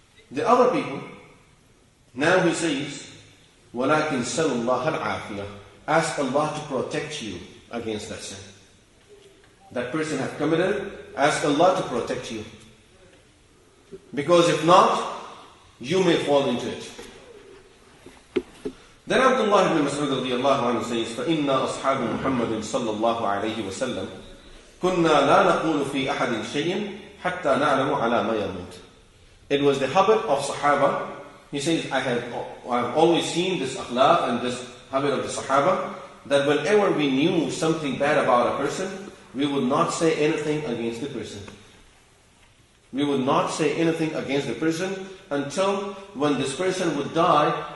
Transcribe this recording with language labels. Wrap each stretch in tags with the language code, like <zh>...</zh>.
<en>The other people, now he says,</en> <ar>وَلَكِنْ سَلُ اللَّهَ الْعَافِيَةِ.</ar> <en>Ask Allah to protect you against that sin. That person has committed, ask Allah to protect you. Because if not, you may fall into it. Then Abdullah ibn Mas'ud radiallahu anhu says,</en> <ar>فَإِنَّا أَصْحَابُ مُحَمَّدٍ صَلَّى اللَّهُ عَلَيْهِ وَسَلَّمْ كُنَّا لَا نَقُولُ فِي أَحَدٍ شَيْءٍ حَتَّى نَعْلَمُ عَلَى مَا يَمُوتُ.</ar> <en>It was the habit of Sahaba. He says, I have always seen this akhlaq and this habit of the Sahaba, that whenever we knew something bad about a person, we would not say anything against the person. We would not say anything against the person until when this person would die.</en>